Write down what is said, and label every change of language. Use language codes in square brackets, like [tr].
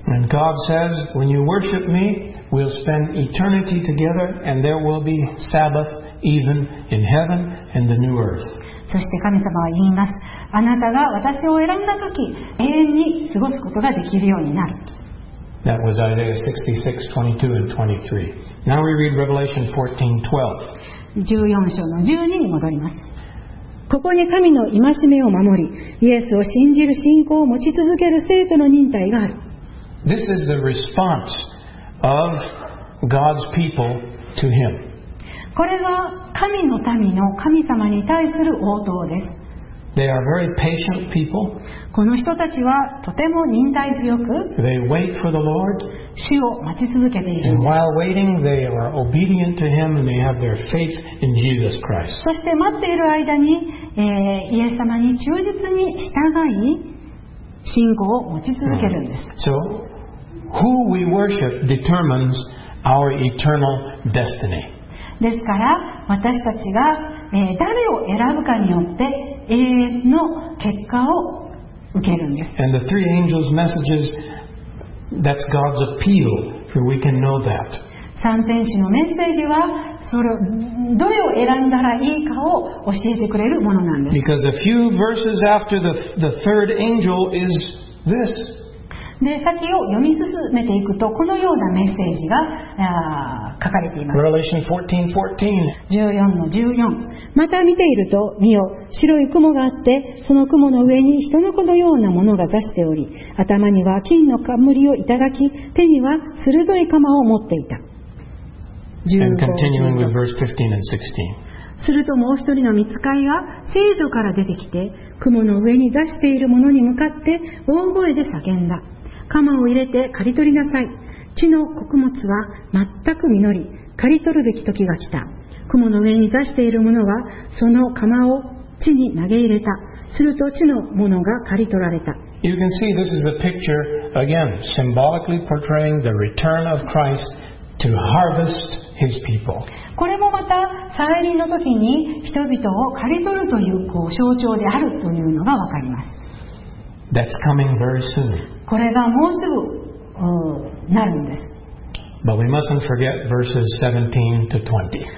[en] And God says, when you worship me, we'll spend eternity together, and there will be Sabbath even in heaven and the new earth. [ja] そして神様は言います。あなたが私を選んだ時、永遠に過ごすことができるようになる。 [en] That was Isaiah 66, 22 and 23. Now we read Revelation 14, 12. [ja] 14章の12に戻ります。ここに神の戒めを守り、イエスを信じる信仰を持ち続ける聖徒の忍耐がある。 [en] This is the response of God's people to him. [ja] これは神の民の神様に対する応答です。 [en] They are very patient people. [ja] この人たちはとても忍耐強く、 [en] They wait for the Lord. [ja] 主を待ち続けている。 [en] And while waiting, they are obedient to him and they have their faith in Jesus Christ. [ja] そして待っている間に、イエス様に忠実に従い、信仰を持ち続けるんです。 [en] So, who we worship determines our eternal destiny. [ja] ですから、私たちが、誰を選ぶかによって永遠の結果を受けるんです。 [en] And the three angels' messagesThat's God's appeal, for we can know that. [ja] 三天使のメッセージはそれどれを選んだらいいかを教えてくれるものなんです。 [en] Because a few verses after the third angel is this. [ja] で、先を読み進めていくとこのようなメッセージが書かれています。 [en] Revelation 14:14. [ja] 14:14. また見ていると、見よ、白い雲があって、その雲の上に人の子のようなものが座しており、頭には金の冠をいただき、手には鋭い鎌を持っていた。 [en] And continuing with verse 15 and 16. [ja] するともう一人の御使いが聖所から出てきて、雲の上に座しているものに向かって大声で叫んだ。鎌を入れて刈り取りなさい。地の穀物は全く実り、刈り取るべき時が来た。雲の上に座しているものはその鎌を地に投げ入れた。すると地のものが刈り取られた。 [en] You can see this is a picture again symbolically portraying the return of Christ to harvest his people. [ja] これもまた再臨の時に人々を刈り取るという象徴であるというのがわかります。 [en] That's coming very soon. [ja] これがもうすぐなるんです。 [en] But we mustn't forget verses 17 to 20.